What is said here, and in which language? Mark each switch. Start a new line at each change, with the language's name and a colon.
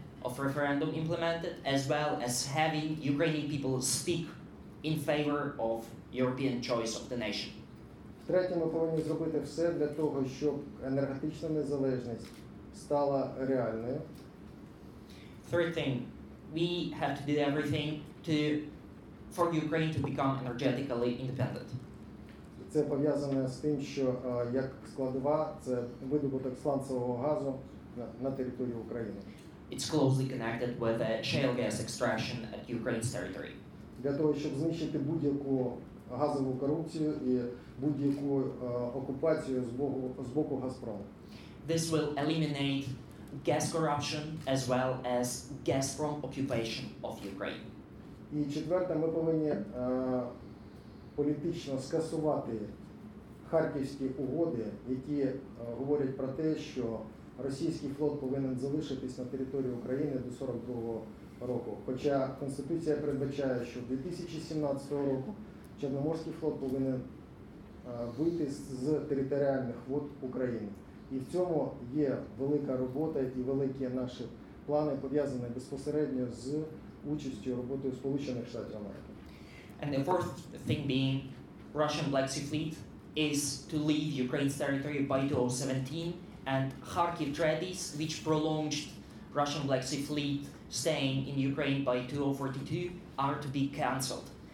English: of referendum implemented, as well as having Ukrainian people speak in favor of European choice of the nation.
Ukrainian: Третє, ми повинні зробити все для того, щоб енергетична незалежність стала реальною.
English: Third thing, we have to do everything to for Ukraine to become energetically independent.
Ukrainian: Це пов'язане з тим, що як складова, це видобуток сланцевого газу на території України.
English: It's closely connected with the shale gas extraction at Ukraine's territory.
Ukrainian: Для того, щоб знищити будь-яку газову корупцію і будь-яку окупацію з боку Газпрому.
English: This will eliminate gas corruption as well as Gazprom occupation of Ukraine.
Ukrainian: І четверте, ми повинні політично скасувати харківські угоди, які говорять про те, що російський флот повинен залишитись на території України до 42-го року. Хоча Конституція передбачає, що в 2017 року Чорноморський флот повинен вийти з територіальних вод України. І в цьому є велика робота і великі наші плани, пов'язані безпосередньо з участю роботи Сполучених Штатів Америки.
English: And the fourth thing being Russian Black Sea Fleet is to leave Ukraine's territory by 2017 and Kharkiv treaties, which prolonged Russian Black Sea Fleet staying in Ukraine by 2042, are to be cancelled.